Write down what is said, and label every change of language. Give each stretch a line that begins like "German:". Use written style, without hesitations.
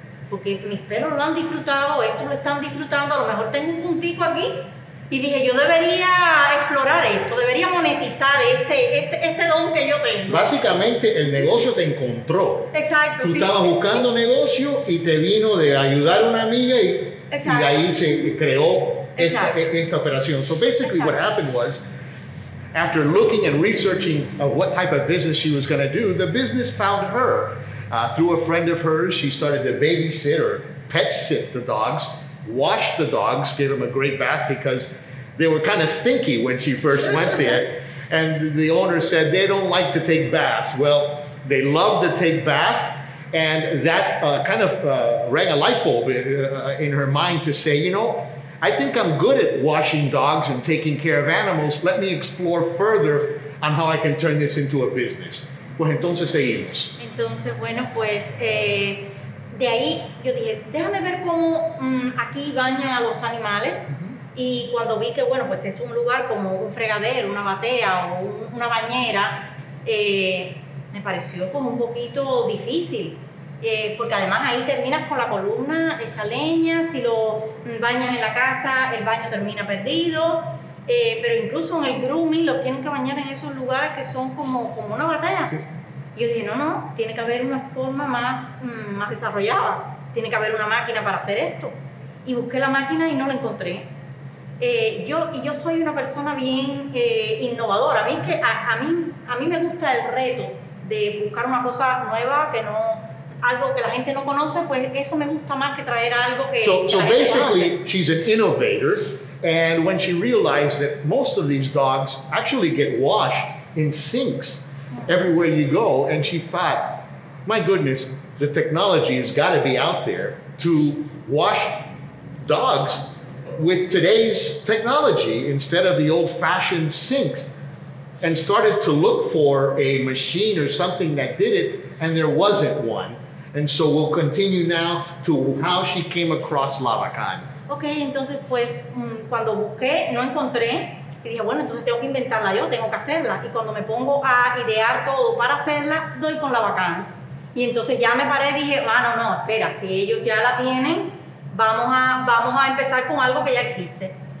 Spanish: Porque mis perros lo han disfrutado, estos lo están disfrutando, a lo mejor tengo un puntico aquí. Y dije, yo debería explorar esto, debería monetizar este don que yo tengo. Básicamente, el negocio te encontró. Exacto, tú sí. Estabas buscando negocio y te vino de ayudar a una amiga y de ahí se creó... Esta operación.
English: So basically what happened was, after looking and researching what type of business she was going to do, the business found her through a friend of hers. She started to babysit or pet sit the dogs, wash the dogs, give them a great bath because they were kind of stinky when she first went there. And the owner said they don't like to take baths. Well, they love to take baths. And that kind of rang a light bulb in her mind to say, you know, I think I'm good at washing dogs and taking care of animals. Let me explore further on how I can turn this into a business.
Spanish: Pues entonces seguimos. Entonces, bueno, pues de ahí yo dije, déjame ver cómo aquí bañan a los animales. Y cuando vi que, bueno, pues es un lugar como un fregadero, una batea o una bañera, me pareció como un poquito difícil. Porque además ahí terminas con la columna hecha leña, si lo bañas en la casa, el baño termina perdido. Pero incluso en el grooming los tienen que bañar en esos lugares que son como una batea. Sí. Yo dije, no, tiene que haber una forma más desarrollada. Tiene que haber una máquina para hacer esto. Y busqué la máquina y no la encontré. Yo soy una persona bien innovadora. A mí es que a mí me gusta el reto de buscar una cosa nueva que no, algo que la gente no conoce, pues eso me gusta más que traer algo que
English: basically she's an innovator, and when she realized that most of these dogs actually get washed in sinks everywhere you go, and she thought, my goodness, the technology has got to be out there to wash dogs with today's technology instead of the old-fashioned sinks, and started to look for a machine or something that did it, and there wasn't one. And so we'll continue now to how she came across Lavacan.
Spanish: Okay, entonces pues cuando busqué no encontré, y dije, bueno, entonces tengo que inventarla yo, tengo que hacerla. Y cuando me pongo a idear todo para hacerla, doy con Lavacan. Y entonces ya me paré y dije, no, espera, si ellos ya la tienen, vamos a empezar con algo que ya existe.